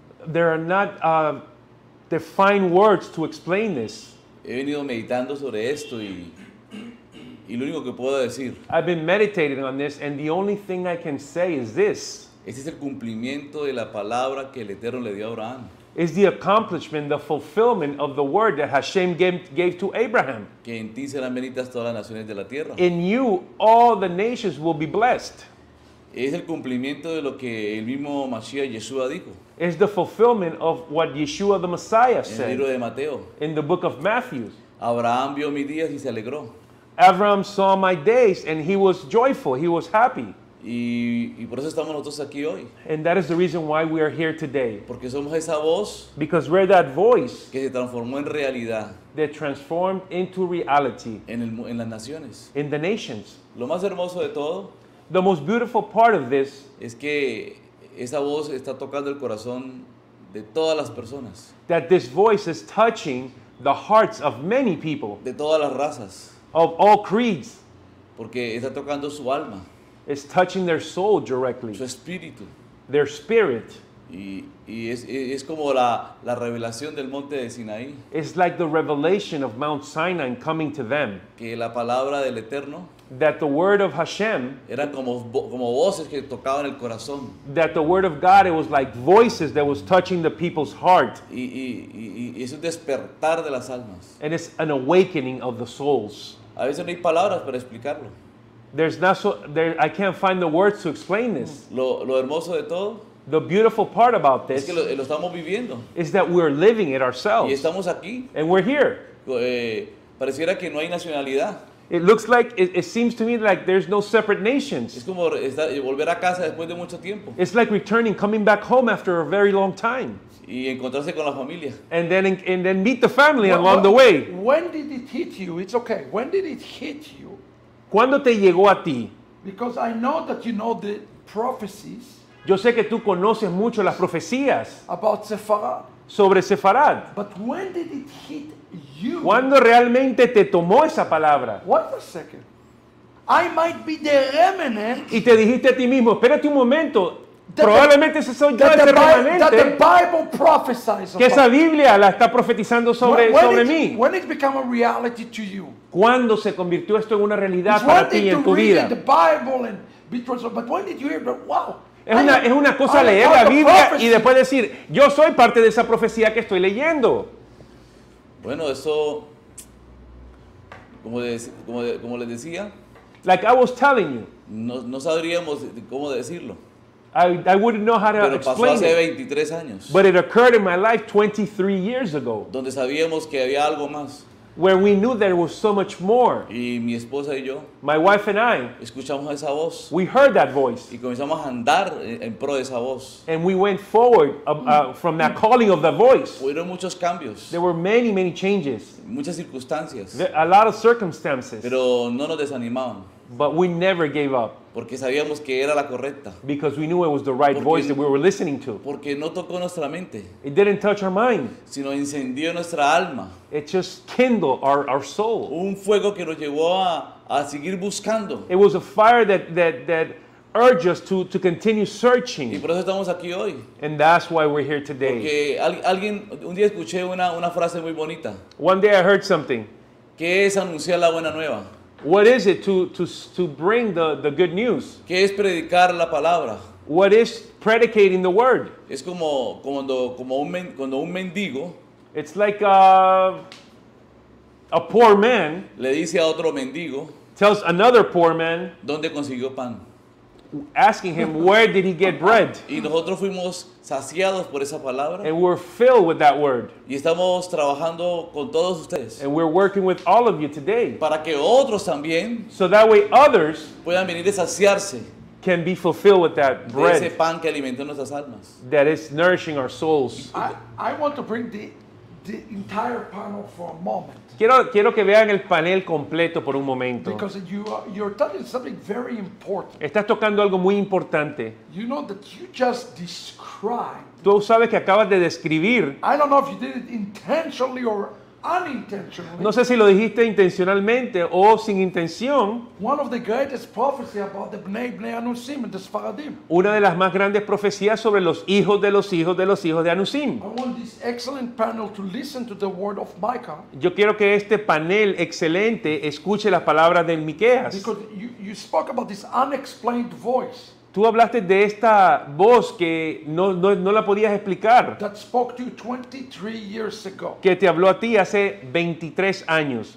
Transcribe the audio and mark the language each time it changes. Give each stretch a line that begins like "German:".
English: There are not defined words to explain this.
Spanish: He venido meditando sobre esto y lo único que puedo decir.
English: I've been meditating on this and the only thing I can say is this.
Spanish: Este es el cumplimiento de la palabra que el Eterno le dio a Abraham.
English: Is the accomplishment, the fulfillment of the word that Hashem gave to Abraham.
Spanish: Que en ti serán benditas todas las naciones de la tierra.
English: In you, all the nations will be blessed.
Spanish: Es el cumplimiento de lo que el mismo Mashiach Yeshua dijo.
English: Is the fulfillment of what Yeshua the Messiah
Spanish: en
English: said.
Spanish: En el libro de Mateo.
English: In the book of Matthew.
Spanish: Abraham vio mis días y se alegró.
English: Abraham saw my days and he was joyful, he was happy.
Spanish: Y por eso estamos nosotros aquí hoy.
English: And that is the reason why we are here today.
Spanish: Porque somos esa voz.
English: Because we're that voice.
Spanish: Que se transformó en realidad.
English: That transformed into reality.
Spanish: En las naciones.
English: In the nations.
Spanish: Lo más hermoso de todo.
English: The most beautiful part of this.
Spanish: Es que esa voz está tocando el corazón de todas las personas.
English: That this voice is touching the hearts of many people.
Spanish: De todas las razas.
English: Of all creeds.
Spanish: Porque está tocando su alma.
English: It's touching their soul directly.
Spanish: Su espíritu.
English: Their spirit.
Spanish: Y es como la revelación del monte de Sinaí.
English: It's like the revelation of Mount Sinai coming to them.
Spanish: Que la palabra del Eterno.
English: That the word of Hashem.
Spanish: Era como voces que tocaban el corazón.
English: That the word of God, it was like voices that was touching the people's heart.
Spanish: Y es un despertar de las almas.
English: And it's an awakening of the souls.
Spanish: A veces no hay palabras para explicarlo.
English: I can't find the words to explain this.
Spanish: Lo hermoso de todo.
English: The beautiful part about this.
Spanish: Es que lo estamos viviendo.
English: Is that we're living it ourselves.
Spanish: Y estamos aquí.
English: And we're here.
Spanish: Pareciera que no hay nacionalidad.
English: It looks like, it seems to me like there's no separate nations.
Spanish: Es como volver a casa después de mucho tiempo.
English: It's like returning, coming back home after a very long time.
Spanish: Y encontrarse con la familia.
English: And then meet the family along the way. When did it hit you? It's okay. When did it hit you?
Spanish: ¿Cuándo te llegó a ti?
English: Because I know that you know the prophecies.
Spanish: Yo sé que tú conoces mucho las profecías.
English: About Sefarad.
Spanish: Sobre Sefarad.
English: But when did it hit you?
Spanish: ¿Cuándo realmente te tomó esa palabra?
English: Wait a second. I might be the remnant.
Spanish: Y te dijiste a ti mismo, espérate un momento. Probablemente ese soy yo, ese remanente. Que esa Biblia la está profetizando sobre mí.
English: When it became a reality to you.
Spanish: ¿Cuándo se convirtió esto en una realidad
English: it's
Spanish: para ti y en tu vida? Es una cosa leer la Biblia y después decir, yo soy parte de esa profecía que estoy leyendo. Bueno, eso, como les decía.
English: Like I was telling you.
Spanish: No sabríamos cómo decirlo.
English: I wouldn't know how to
Spanish: Pero
English: explain
Spanish: pasó hace
English: it.
Spanish: 23 años.
English: But it occurred in my life 23 years ago.
Spanish: Donde sabíamos que había algo más.
English: Where we knew there was so much more.
Spanish: Y mi esposa y yo,
English: my wife and I,
Spanish: escuchamos esa voz.
English: We heard that voice.
Spanish: Y comenzamos a andar en pro de esa voz.
English: And we went forward from that calling of the voice.
Spanish: Hubieron muchos cambios.
English: There were many, many changes.
Spanish: Muchas circunstancias.
English: A lot of circumstances.
Spanish: Pero no nos desanimaban.
English: But we never gave up.
Spanish: Porque sabíamos que era la correcta.
English: Because we knew it was the right voice that we were listening to.
Spanish: Porque no tocó nuestra mente.
English: It didn't touch our mind.
Spanish: Sino encendió nuestra alma.
English: It just kindled our soul.
Spanish: Un fuego que nos llevó a seguir buscando.
English: It was a fire that urge us to continue searching.
Spanish: Y por eso estamos aquí hoy.
English: And that's why we're here today.
Spanish: Porque alguien un día escuché una frase muy bonita.
English: One day I heard something.
Spanish: ¿Qué es anunciar la buena nueva?
English: What is it to bring the good news?
Spanish: ¿Qué es predicar la palabra?
English: What is predicating the word?
Spanish: Es como un mendigo.
English: It's like a poor man.
Spanish: Le dice a otro mendigo.
English: Tells another poor man.
Spanish: ¿Dónde consiguió pan?
English: Asking him, where did he get bread?
Spanish: Y nosotros fuimos saciados por esa palabra.
English: And we're filled with that word.
Spanish: Y estamos trabajando con todos ustedes.
English: And we're working with all of you today.
Spanish: Para que otros también.
English: So that way others.
Spanish: Puedan venir a saciarse.
English: Can be fulfilled with that bread.
Spanish: De ese pan que alimentó nuestras almas.
English: That is nourishing our souls. I want to bring the entire panel for a moment.
Spanish: Quiero que vean el panel completo por un momento.
English: Because you're touching something very important.
Spanish: Estás tocando algo muy importante.
English: You know that you just described.
Spanish: Tú sabes que acabas de describir.
English: I don't know if you did it intentionally or unintentionally.
Spanish: No sé si lo dijiste intencionalmente o sin intención.
English: One of the greatest prophecies about the Bnei Anusim and the Sfaradim.
Spanish: Una de las más grandes profecías sobre los hijos de los hijos de los hijos de Anusim.
English: I want this excellent panel to listen to the word of Micah.
Spanish: Yo quiero que este panel excelente escuche las palabras de Miqueas.
English: Because you spoke about this unexplained voice.
Spanish: Tú hablaste de esta voz que no la podías explicar.
English: That spoke to you 23 years ago.
Spanish: Que te habló a ti hace 23 años.